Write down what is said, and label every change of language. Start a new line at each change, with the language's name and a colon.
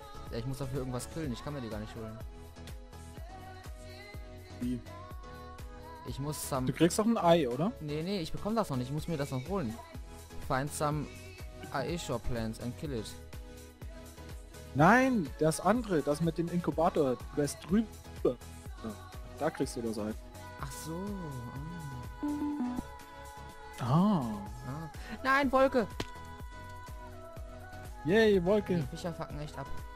German: Ja, ich muss dafür irgendwas killen, ich kann mir die gar nicht holen. Wie? Ich muss zum... Du kriegst doch ein Ei, oder? Nee, ich bekomme das noch nicht, ich muss mir das noch holen.
English: Find some Aishore plants and kill it.
German: Nein, das andere, das mit dem Inkubator, du bist drüber. Da kriegst du das Ei. Ach so. Ah. Nein, Wolke! Yay, Wolke! Die Fischer fucken echt ab.